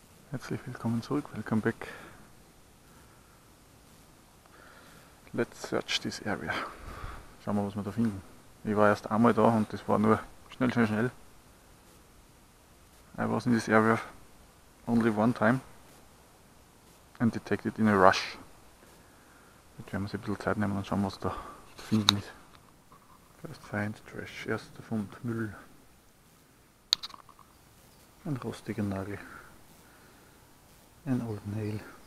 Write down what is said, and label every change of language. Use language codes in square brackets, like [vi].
[de] Herzlich willkommen zurück, [en] welcome back. Let's search this area. [de] Schauen wir, was wir da finden. Ich war erst einmal da und das war nur schnell, schnell, schnell. [en] I was in this area only one time and detected in a rush. [de] Jetzt werden wir uns ein bisschen Zeit nehmen und schauen, was da zu finden ist. [en] First find, trash, [de] erster Fund, Müll. Ein rostiger Nagel. Ein [en] old nail.